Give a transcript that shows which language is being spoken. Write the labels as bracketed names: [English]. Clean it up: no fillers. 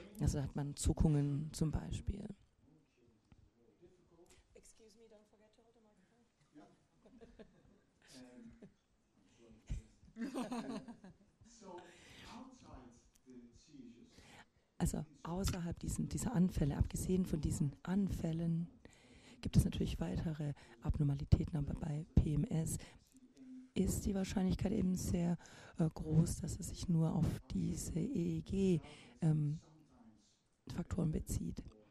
[German] Also da hat man Zuckungen zum Beispiel. [English] Excuse me, don't forget to hold the microphone. [German] Also außerhalb dieser Anfälle, abgesehen von diesen Anfällen, gibt es natürlich weitere Abnormalitäten, aber bei PMS ist die Wahrscheinlichkeit eben sehr groß, dass es sich nur auf diese EEG-Faktoren bezieht.